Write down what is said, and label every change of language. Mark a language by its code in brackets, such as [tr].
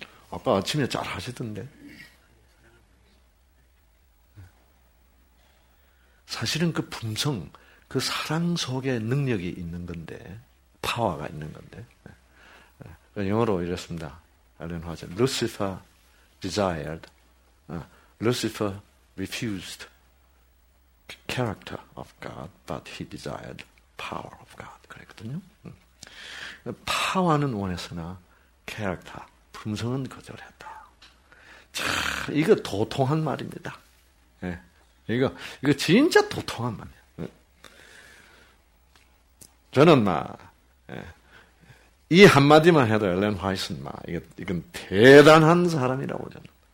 [ko] 아까 아침에 잘 하시던데. 사실은 그 품성, 그 사랑 속에 능력이 있는 건데, 파워가 있는 건데. 영어로 이랬습니다. 엘렌 화이트, Lucifer. [en] Desired, Lucifer refused character of God, but he desired power of God. [ko] 그랬거든요. 파워는 원했으나 character, 품성은 거절했다. 자, 이거 도통한 말입니다. 예, 이거 진짜 도통한 말이에요. 저는 이 한마디만 해도 엘렌 화이트는 이건 대단한 사람이라고 저는.